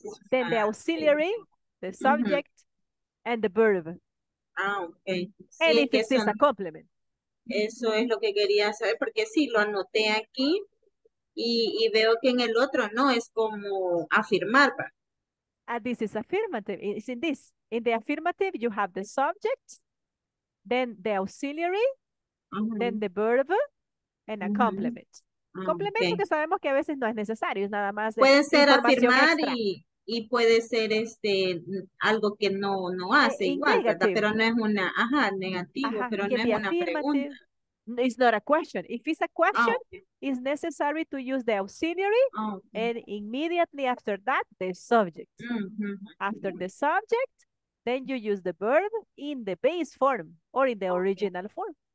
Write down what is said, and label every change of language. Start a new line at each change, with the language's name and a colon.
English: Then the auxiliary, the subject, and the verb. Okay. And if it's a compliment.
Spanish: Eso es lo que quería saber, porque sí, lo anoté aquí, y veo que en el otro no, es como afirmar.
English: This is affirmative. It's in this. In the affirmative, you have the subject, then the auxiliary, then the verb, and a complement.
Spanish: Complemento que sabemos que a veces no es necesario, es nada más. Puede ser afirmar y puede ser este algo que no hace igual, ¿verdad? Pero no es una, negativo, pero no es una pregunta.
English: It's not a question. If it's a question, it's necessary to use the auxiliary and immediately after that, the subject. After the subject, then you use the verb in the base form or in the original form.